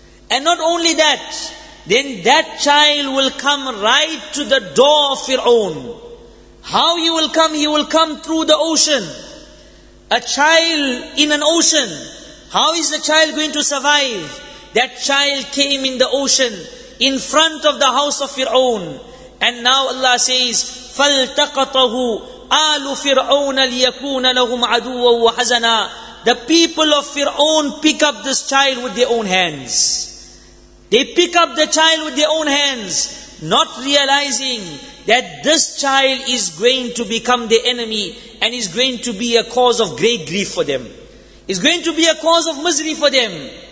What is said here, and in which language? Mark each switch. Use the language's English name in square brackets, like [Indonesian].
[English] And not only that, then that child will come right to the door of Fir'aun. How he will come? He will come through the ocean. A child in an ocean, how is the child going to survive? That child came in the ocean, in front of the house of Fir'aun. And now Allah says, [Arabic] فَالْتَقَطَهُ آلُ فِرْعَوْنَ لِيَكُونَ لَهُمْ عَدُوًا وَحَزَنًا. [English] The people of Fir'aun pick up this child with their own hands. They pick up the child with their own hands, not realizing that this child is going to become the enemy and is going to be a cause of great grief for them. It's going to be a cause of misery for them.